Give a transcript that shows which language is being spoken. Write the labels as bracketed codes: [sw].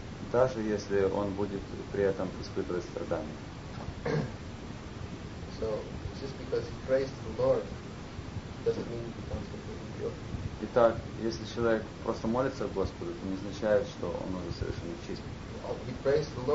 [ru] Даже если он будет при этом испытывать страдания. [en] So, just because he prays to the Lord, doesn't mean he becomes completely pure. [ru] Итак, если человек просто молится Господу, это не означает, что он уже совершенно чист.